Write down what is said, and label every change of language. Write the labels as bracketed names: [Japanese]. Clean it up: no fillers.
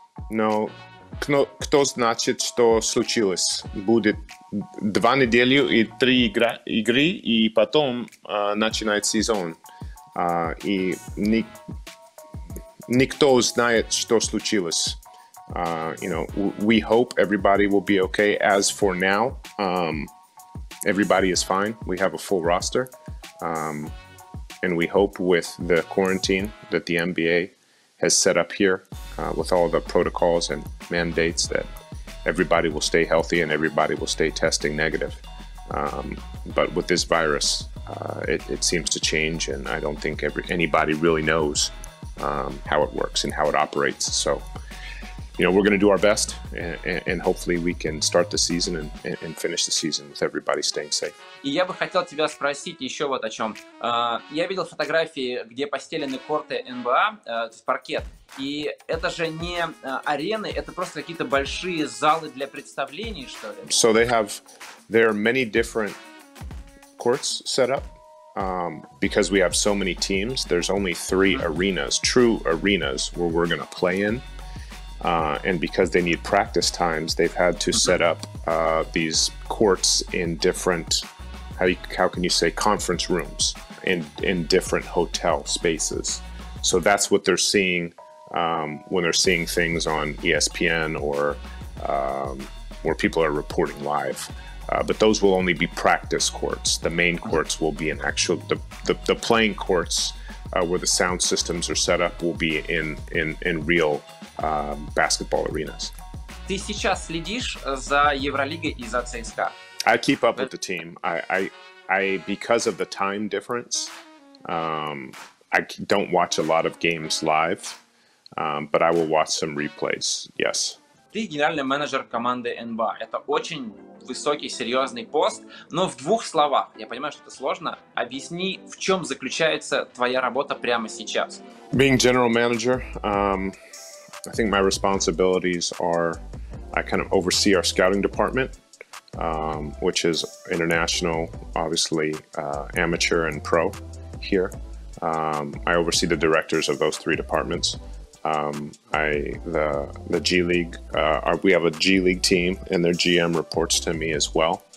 [Russian] Но кто знает, что случилось? Будет 2 недели и 3 игры, и потом начинает сезон. И никто знает, что случилось. [English] You know, we hope everybody will be okay. As for now, everybody is fine. We have a full roster, and we hope with the quarantine that the NBA has set up here, with all the protocols and mandates, that everybody will stay healthy and everybody will stay testing negative. But with this virus, it seems to change, and I don't think anybody really knows how it works and how it operates. So. You know, we're going to do our best, and hopefully we can start the season and finish the season with everybody staying safe. [Russian] И я бы хотел тебя спросить еще вот о чем. Я видел фотографии, где постелены корты НБА, то есть паркет. И это же не арены, это просто какие-то большие залы для представлений, что ли? [English] So they have, there are many different courts set up. Because we have so many teams, there's only 3 arenas, true arenas, where we're going to play in. And because they need practice times, they've had to set up these courts in different, how can you say, conference rooms in different hotel spaces. So that's what they're seeing when they're seeing things on ESPN or where people are reporting live. But those will only be practice courts. The main courts will be in actual, the playing courts where the sound systems are set up will be in real basketball arenas. [Russian] Ты сейчас следишь за Евролигой и за ЦСКА? [English] I keep up with the team. I because of the time difference, I don't watch a lot of games live, but I will watch some replays. Yes. [Russian] Ты генеральный менеджер команды НБА. Это очень высокий, серьезный пост. Но в двух словах, я понимаю, что это сложно, объясни, в чем заключается твоя работа прямо сейчас. [English] Being general manager, I think my responsibilities are, I kind of oversee our scouting department, which is international, obviously amateur and pro here. I oversee the directors of those 3 departments. The G League, we have a G League team and their GM reports to me as well.